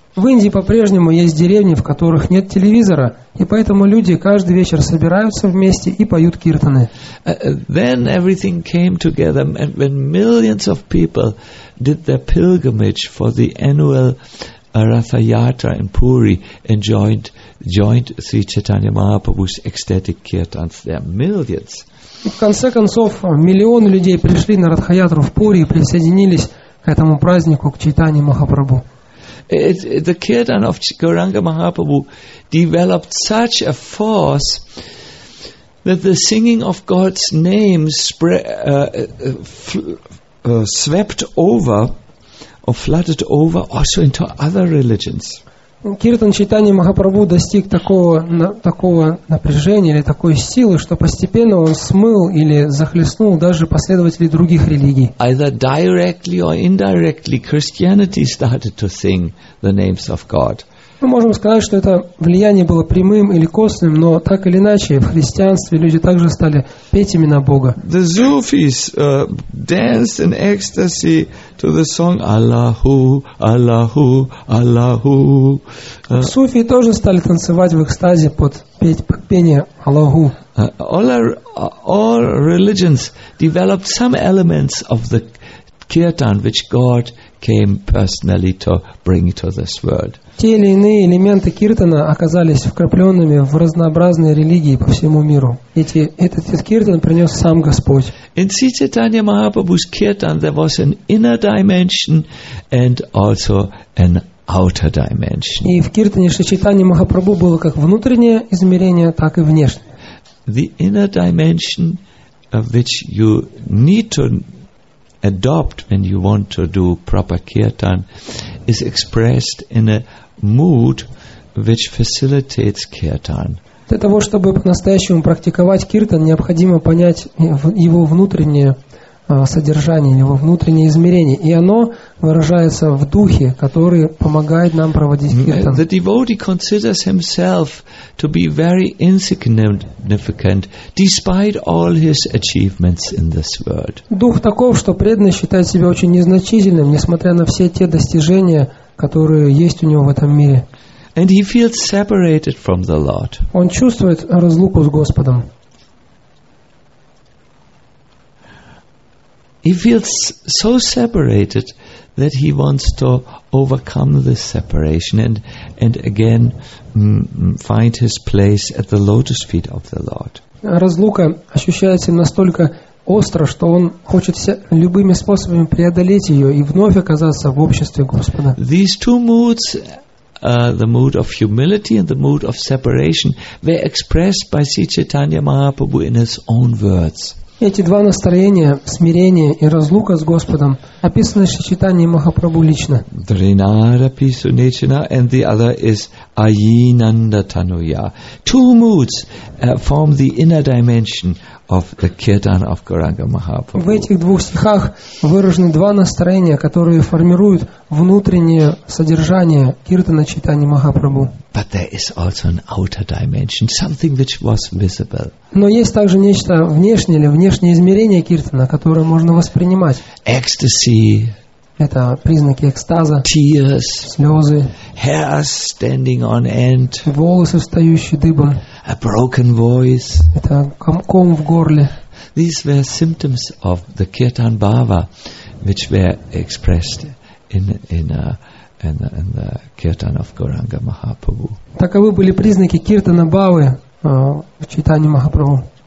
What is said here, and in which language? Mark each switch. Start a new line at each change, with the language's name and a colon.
Russian: В Индии по-прежнему есть деревни, в которых нет телевизора, и поэтому люди каждый вечер собираются вместе и поют киртаны.
English: Then everything came together when millions of people did their pilgrimage for the annual Ratha Yatra in Puri and joined Sri Chaitanya Mahaprabhu's ecstatic kirtans there. Millions.
Russian: И в конце концов, миллионы людей пришли на Ратха Ятру в Пури и присоединились к этому празднику, к Чайтанье Махапрабху.
English: The kirtan of Gauranga Mahaprabhu developed such a force that the singing of God's name swept over or flooded over also into other religions.
Russian: Киртан Чайтанья Махапрабху достиг такого напряжения или такой силы, что постепенно он смыл или захлестнул даже последователей других религий.
English: Either directly or indirectly, Christianity started to sing the names of God.
Russian: Мы можем сказать, что это влияние было прямым или косвенным, но так или иначе, в христианстве люди также стали петь имена Бога.
English: The Zufis danced in ecstasy to the song Allahu, Allahu, Allahu.
Russian: Суфи тоже стали танцевать в экстазе под пение Аллаху.
English: All religions developed some elements of the kirtan, which God came personally to bring to this world.
Russian: Те или иные элементы киртана оказались вкрапленными в разнообразные религии по всему миру. Этот киртан принес сам Господь.
English: In Sri Chaitanya Mahaprabhu's kirtan there was an inner dimension and also an outer dimension.
Russian: И в киртане Шри Чайтаньи Махапрабху было как внутреннее измерение, так и внешнее.
English: The inner dimension of which you need to adopt when you want to do proper kirtan is expressed in a mood which facilitates kirtan.
Russian: Для того, чтобы по-настоящему практиковать киртан, необходимо понять его внутреннее содержание, его внутреннее измерение. И оно выражается в духе, который помогает нам проводить киртан.
English: The devotee considers himself to be very insignificant despite all his achievements in this world.
Russian: Дух таков, что преданный считает себя очень незначительным, несмотря на все те достижения, которые есть у него в этом мире.
English: And he feels separated from the Lord.
Russian: Он чувствует разлуку с Господом.
English: He feels so separated that he wants to overcome this separation and again find his place at the lotus feet of the Lord.
Russian: Разлука ощущается настолько остро, что он хочет любыми способами преодолеть ее и вновь оказаться в обществе Господа.
English: These two moods, the mood of humility and the mood of separation, were expressed by Sri Chaitanya Mahaprabhu in his own words.
Russian: Эти два настроения, смирение и разлука с Господом, описаны Шри Чайтаньей Махапрабху лично.
English: Дринарапи сунечина, and the other is Айинанда Тануя. Two moods form the inner dimension of the kirtan of Gauranga Mahaprabhu.
Russian: В этих двух стихах выражены два настроения, которые формируют внутреннее содержание киртана Чайтаньи Махапрабху.
English: But there is also an outer dimension, something which was visible.
Russian: Но есть также нечто внешнее или внешнее измерение киртана, которое можно воспринимать.
English: Ecstasy.
Russian: Это признаки экстаза.
English: Tears.
Russian: Слезы.
English: Hairs standing on end.
Russian: Волосы, встающие дыбом.
English: A broken voice.
Russian: Это ком в горле.
English: These were symptoms of the kirtan bhava, which were expressed in the kirtan of Gauranga Mahaprabhu.
Russian: Таковы были признаки киртана бхавы в Чайтанье Махапрабху.